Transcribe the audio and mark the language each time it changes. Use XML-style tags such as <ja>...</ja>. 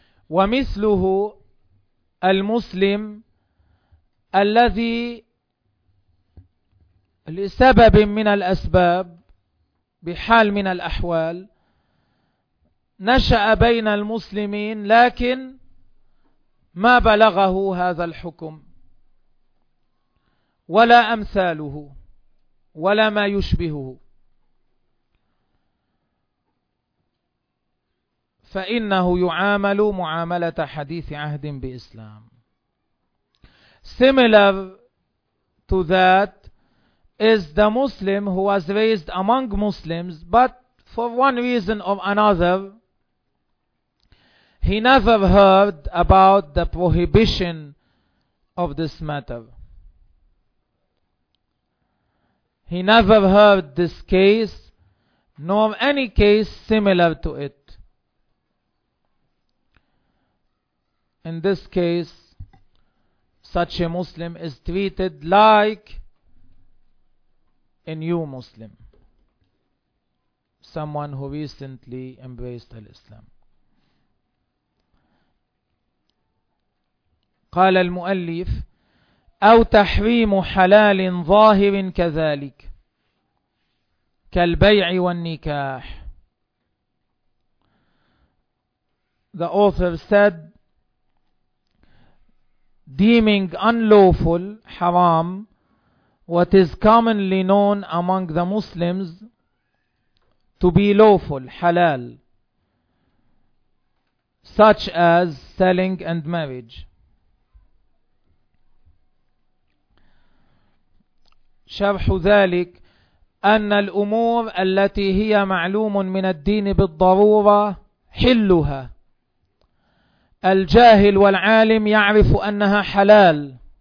<ar>ومثله المسلم الذي لسبب من الأسباب بحال من الأحوال نشأ بين المسلمين لكن ما بلغه هذا الحكم ولا أمثاله ولا ما يشبهه فإنه يعامل معاملة حديث عهد بإسلام.</ar> <en>Similar to that is the Muslim who was raised among Muslims, but for one reason or another, he never heard about the prohibition of this matter. He never heard this case, nor any case similar to it. In this case, such a Muslim is treated like a new Muslim, someone who recently embraced Islam.</en> <ar>قال المؤلف أو تحريم حلال ظاهر كذلك كالبيع والنكاح.</ar> <en>The author said, deeming unlawful, haram, what is commonly known among the Muslims to be lawful, halal, such as selling and marriage.</en> <ar>شرح ذلك أن الأمور التي هي معلوم من الدين بالضرورة حلها الجاهل والعالم يعرف أنها حلال</ar>